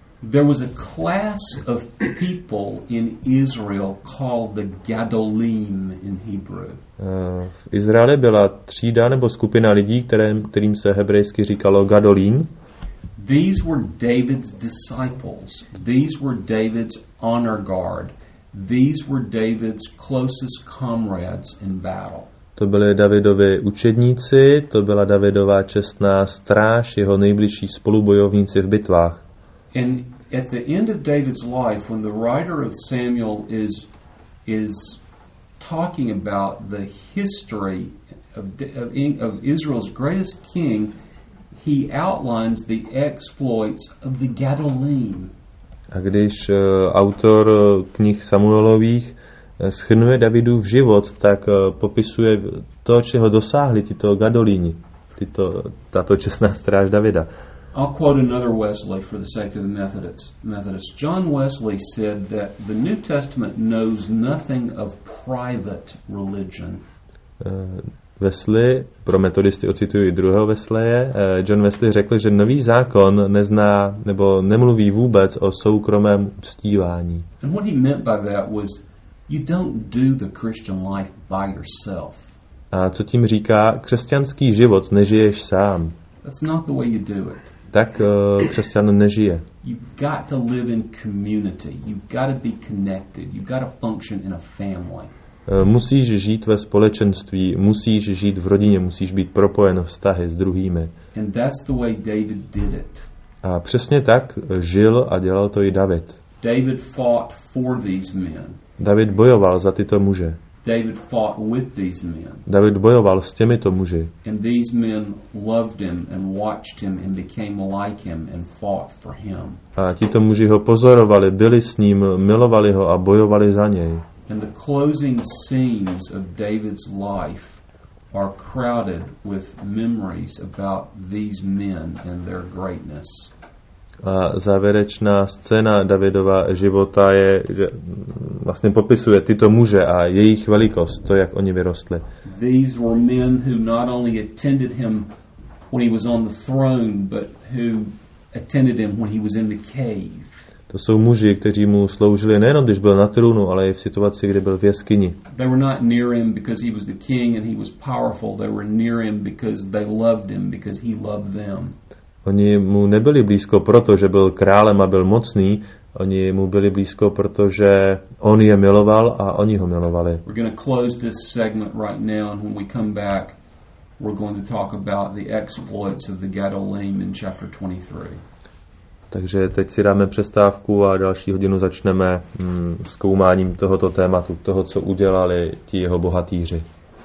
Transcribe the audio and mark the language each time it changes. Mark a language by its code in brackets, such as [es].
[en] There was a class of people in Israel called the Gadolim in Hebrew. [cs] V Izraeli byla třída nebo skupina lidí, kterým se hebrejsky říkalo Gadolim. [en] These were David's disciples. These were David's honor guard. These were David's closest comrades in battle. [cs] To byli Davidovi učedníci, to byla Davidova čestná stráž, jeho nejbližší spolubojovníci v bitvách. [en] And at the end of David's life, when the writer of Samuel is talking about the history of Israel's greatest king, he outlines the exploits of the Gadolim. [cs] A když autor knih Samuelových shrnuje Davidův život, tak popisuje to, čeho dosáhli tyto Gadolíni, tato čestná stráž Davida. [en] I'll quote another Wesley for the sake of the Methodists. John Wesley said that the New Testament knows nothing of private religion. [cs] Wesley, pro metodisty ocituji druhého Wesleye, John Wesley řekl, že Nový zákon nezná nebo nemluví vůbec o soukromém uctívání. [en] And what he meant by that was, you don't do the Christian life by yourself. [cs] A co tím říká, křesťanský život nežiješ sám. [en] That's not the way you do it. [cs] Tak křesťan nežije. [en] You've got to live in community. You've got to be connected. You've got to function in a family. [cs] Musíš žít ve společenství, musíš žít v rodině, musíš být propojen vztahy s druhými. [en] And that's the way David did it. [cs] A přesně tak žil a dělal to i David. [en] David fought for these men. [cs] David bojoval za tyto muže. [en] David fought with these men. [cs] David bojoval s těmito muži. [en] And these men loved him and watched him and became like him and fought for him. [cs] A tito muži ho pozorovali, byli s ním, milovali ho a bojovali za něj. [en] And the closing scenes of David's life are crowded with memories about these men and their greatness. [cs] A závěrečná scéna Davidova života je, že vlastně popisuje tyto muže a jejich velikost, to, jak oni vyrostli. [en] These were men who not only attended him when he was on the throne, but who attended him when he was in the cave. [cs] To jsou muži, kteří mu sloužili nejenom, když byl na trůnu, ale i v situaci, kdy byl v jeskyni. [en] They were not near him because he was the king and he was powerful. They were near him because they loved him, because he loved them. [cs] Oni mu nebyli blízko proto, že byl králem a byl mocný. Oni mu byli blízko proto, že on je miloval a oni ho milovali. [en] We're going to close this segment right now, and when we come back, we're going to talk about the exploits of the Gadolim in chapter 23. [cs] Takže teď si dáme přestávku a další hodinu začneme zkoumáním tohoto tématu, toho, co udělali ti jeho bohatíři.